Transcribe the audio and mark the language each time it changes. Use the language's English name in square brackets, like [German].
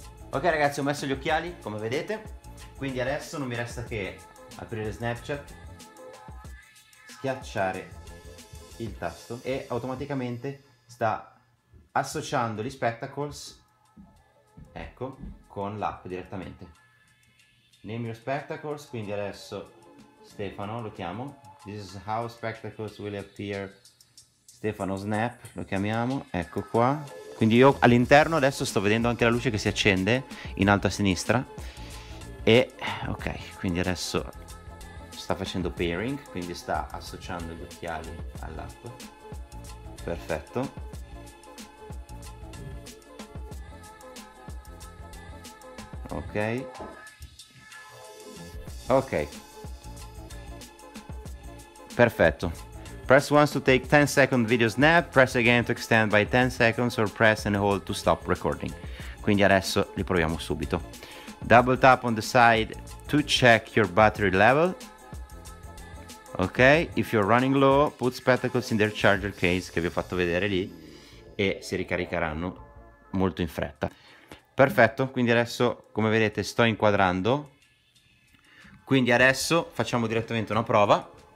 [Italian] Ok ragazzi, ho messo gli occhiali come vedete, quindi adesso non mi resta che aprire Snapchat, schiacciare il tasto e automaticamente sta associando gli Spectacles, ecco, con l'app direttamente. [English] Name your spectacles, [Italian] quindi adesso Stefano lo chiamo. [English] This is how spectacles will appear. [Italian] Stefano Snap lo chiamiamo, ecco qua. Quindi io all'interno adesso sto vedendo anche la luce che si accende in alto a sinistra. E ok, quindi adesso sta facendo pairing, quindi sta associando gli occhiali all'app. Perfetto. Ok. Ok, perfetto. [English] Press once to take 10 second video snap, press again to extend by 10 seconds or press and hold to stop recording. [Italian] Quindi adesso li proviamo subito. [English] Double tap on the side to check your battery level. Ok, if you're running low, put spectacles in their charger case [Italian] che vi ho fatto vedere lì e si ricaricheranno molto in fretta. Perfetto, quindi adesso come vedete sto inquadrando. Quindi adesso facciamo direttamente una prova.